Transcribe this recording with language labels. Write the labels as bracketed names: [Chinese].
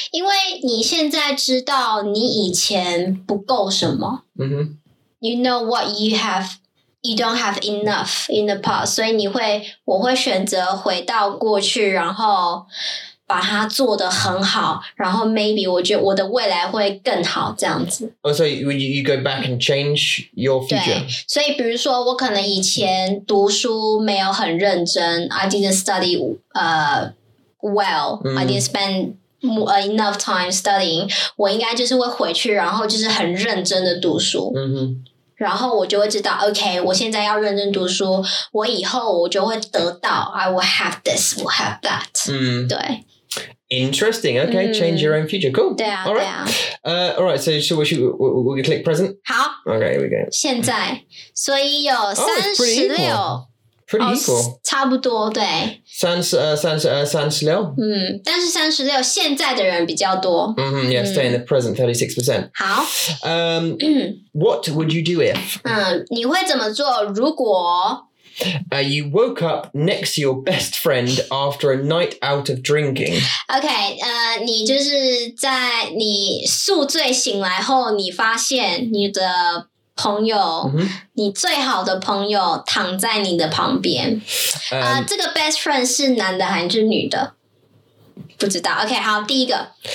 [Chinese] 因为你现在知道你以前不够什么。 Mm-hmm. [English] You know what you have, you don't have enough in the past. [Chinese] 所以我会选择回到过去然后把它做得很好然后 [English] maybe [Chinese] 我觉得我的未来会更好这样子。 [English] Oh, so you go back and change your future? [Chinese] 对所以比如说我可能以前读书没有很认真 [English] I didn't study... Well,、 [Chinese] mm. [English] I didn't spend enough time studying. [Chinese] 我应该就是会回去，然后就是很认真的读书。 Mm-hmm. 然后我就会知道 ，Okay, 我现在要认真读书，我以后我就会得到。 [English] I will have this, will have that.、 Mm. [Chinese] 对。 [English] Interesting. Okay,、mm. change your own future. Cool. [Chinese] 对啊。 [English] All right. [Chinese] 对啊。 [English] All right. So should we click present? [Chinese] 好。 [English] Okay. Here we go. [Chinese] 现在，所以有36。 [English] Pretty equal.、 [Chinese] Oh, 差不多对。 36。嗯，但是36现在的人比较多。 [English] Mm-hmm, yeah, stay in the present, 36%. [Chinese] 好。 [English] What would you do if? [Chinese] 你会怎么做如果 [English] You woke up next to your best friend after a night out of drinking. [Chinese] Okay, 你就是在你宿醉醒来后你发现你的朋友、 mm-hmm. 你最好的朋友躺在你的旁边、这个 [English] best friend [Chinese] 是男的还是女的不知道 OK 好第一个、